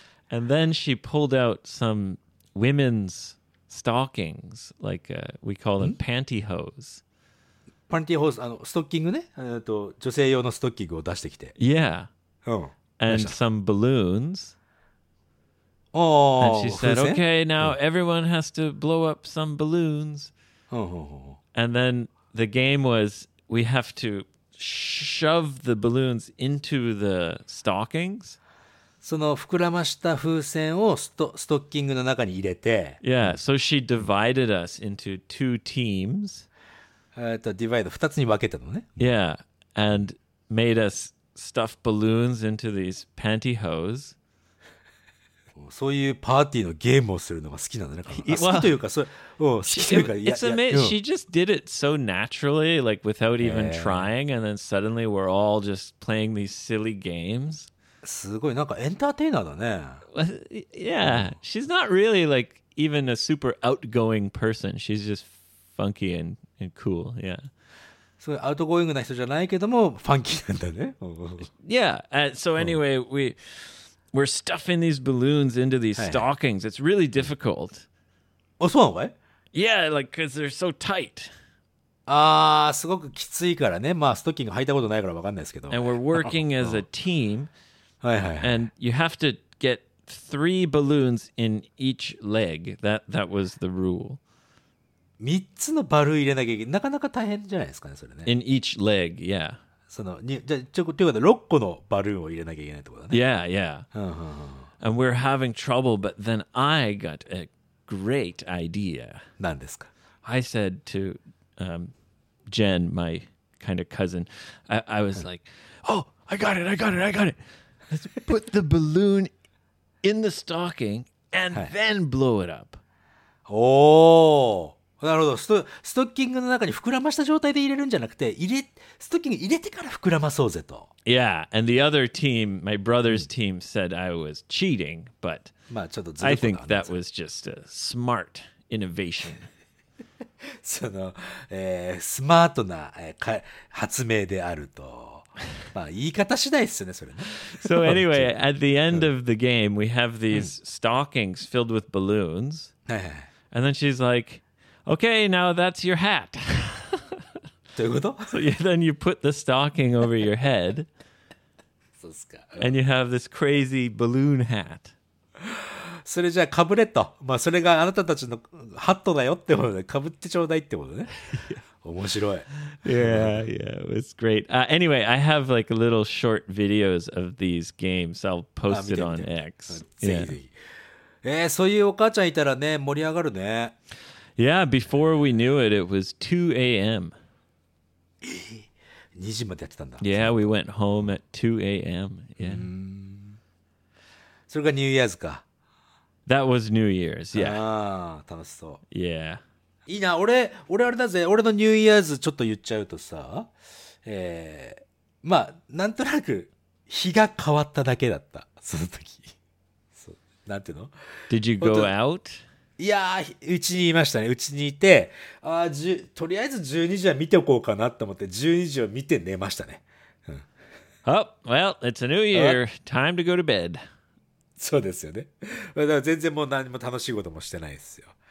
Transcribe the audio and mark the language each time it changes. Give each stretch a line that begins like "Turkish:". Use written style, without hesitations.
English: And then she pulled out some women's stockings, like we call them pantyhose.
Japanese: Pantyhose, ストッキングね。女性用のストッキングを出してきて。
English: Yeah. And some balloons. Oh. And she said, okay, now everyone has to blow up some balloons. And then the game was... We have to shove the balloons into the stockings.
Japanese: その膨らました風船をストッキングの中に入れて。
English: Yeah, so she divided us into two teams.
Japanese: Divide, 二つに分けたのね。
English: Yeah, and made us stuff balloons into these pantyhose.
Japanese: そういうパーティーのゲームをするのが好きなんだね。好きというか、好きというか、
English: It's amazing. She just did it so naturally, like without even trying, and then suddenly we're all just playing these silly games.
Japanese: すごい、なんかエンターテイナーだね。
English: Yeah, she's not really like even a super outgoing person. She's just funky and cool. Yeah.
Japanese: そういうアウトゴーイングな人じゃないけども、ファンキーなんだね。
English: Yeah, so anyway, We're stuffing these balloons into these stockings. It's really difficult. Oh, so what? Yeah, like, because they're so tight.
Japanese: Ah, すごくきついからね。まあ、ストッキング履いたことないからわかんないですけど。
English: And we're working as a team.
Japanese: はいはい。
English: And you have to get 3 balloons in each leg. That was the rule.
Japanese: 3つのバルーン入れなきゃいけない。なかなか大変じゃないですかね、それね。
English: In each leg, yeah.
Japanese: そのじゃあちょっと6個のバルーンを入れなきゃいけないってことだね。
English: Yeah, yeah. And we're having trouble, but then I got a great idea.
Japanese: 何ですか?
English: I said to Jen, my kind of cousin, I was like, oh, I got it. Let's put the balloon in the stocking and then blow it up.
Japanese: Oh, なるほど。ストッキングの中に膨らました状態で入れるんじゃなくて、ストッキング入れてから膨らまそうぜと。
English: Yeah, and the other team, my brother's team, said I was cheating, but I think that was just a smart innovation.
Japanese: その、スマートな、発明であると。まあ言い方次第ですよね、それね。
English: So anyway, at the end of the game, we have these stockings filled with balloons. And then she's like, okay, now that's your hat.
Japanese: どういうこと?
English: So then you put the stocking over your head.
Japanese: そうですか。
English: And you have this crazy balloon hat.
Japanese: それじゃあかぶれと。まあそれがあなたたちのハットだよってことで、かぶってちょうだいってことね。面白い。
English: Yeah, it was great. Anyway, I have like little short videos of these games. I'll post it on X.
Japanese: そういうお母ちゃんいたらね、盛り上がるね。
English: Yeah, before we knew it, it was 2 a.m.
Japanese: 2時までやってたんだ。
English: Yeah, we went home at 2 a.m. Yeah.
Japanese: それがニューイヤーズか。
English: That was New Year's, yeah.
Japanese: ああ、楽しそう。
English: Yeah.
Japanese: いいな、俺あれだぜ、俺のニューイヤーズちょっと言っちゃうとさ、まあなんとなく日が変わっただけだった、その時。そう、なんていうの
English: Did you go out?
Japanese: いやー、うちにいましたね、うちにいて、あ、とりあえず12時は見ておこうかなと思って12時を見て寝ましたね、
English: うん、Oh, well, it's a new year, time to go to bed.
Japanese: そうですよね。だから全然もう何も楽しいこともしてないですよ。